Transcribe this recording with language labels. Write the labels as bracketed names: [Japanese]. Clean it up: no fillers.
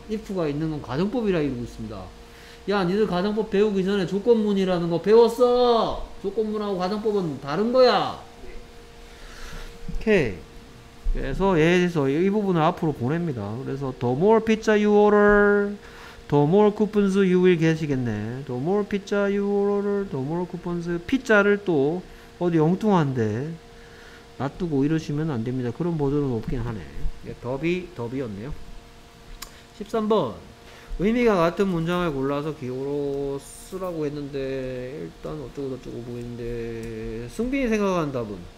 [Korean] if가 있는 건 가정법이라 이러고 있습니다. 야, 니들 가정법 배우기 전에 조건문이라는 거 배웠어? 조건문하고 가정법은 다른 거야. 오케이. 그래서 얘에 대해서 이 부분을 앞으로 보냅니다. 그래서 [English] the more pizza you order, the more coupons you will get이겠네. The more pizza you order, the more coupons. [Korean] 피자를 또 어디 엉뚱한데 놔두고 이러시면 안 됩니다. 그런 버전은 없긴 하네. 더비였네요. 13번. 의미가 같은 문장을 골라서 기호로 쓰라고 했는데 일단 어쩌고저쩌고 보이는데 승빈이 생각한 답은?